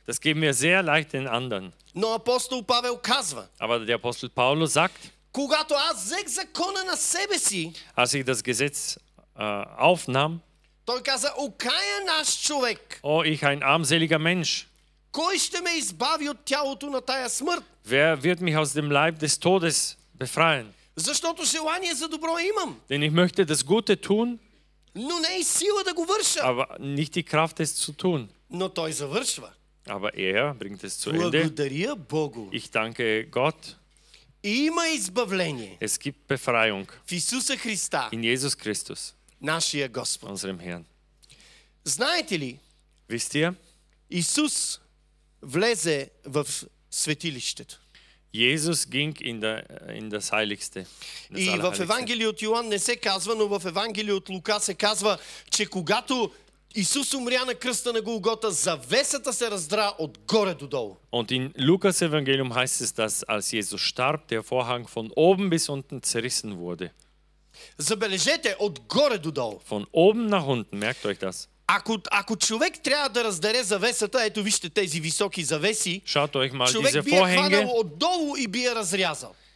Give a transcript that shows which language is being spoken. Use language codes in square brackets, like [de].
[de] Das geben wir sehr leicht den anderen. [bg] Но апостол Павел казва. [de] Aber der Apostel Paulus sagt. [bg] Когато аз взех закона на себе си. [de] Als ich das Gesetz aufnahm. [bg] Той каза, окая наш човек. [de] Oh, ich ein armseliger Mensch. [bg] Кой ще ме избави от тялото на тая смърт? [de] Wer wird mich aus dem Leib des Todes befreien? [bg] Защото желание за добро имам. [de] Denn ich möchte das Gute tun. [bg] Но не и сила да го върша. [de] Aber nicht die Kraft es zu tun. [bg] Но той завършва. [de] Aber bringt es zu Ende. [bg] Благодаря Богу. [de] Ich danke Gott. [bg] Има избавление. [de] Es gibt Befreiung. [bg] В Исуса Христа. [de] In Jesus Christus. [bg] Нашия Господ. [de] Unserem Herrn. [bg] Знаете ли? [de] Wisst ihr? [bg] Исус влезе в светилището. [de] Jesus ging in das Heiligste. [bg] И в Евангелие от Йоан не се казва, но в Евангелие от Лука се казва, че когато Исус умря на кръста на Голгота, завесата се раздра отгоре додолу. [de] Und in Lukas Evangelium heißt es, dass als Jesus starb, der Vorhang von oben bis unten zerrissen wurde. [bg] Забележете, отгоре додолу. [de] Von oben nach unten, merkt euch das. [bg] Ако човек трябва да раздере завесата, ето вижте тези високи завеси, човек би е хванал отдолу и би е разрязал.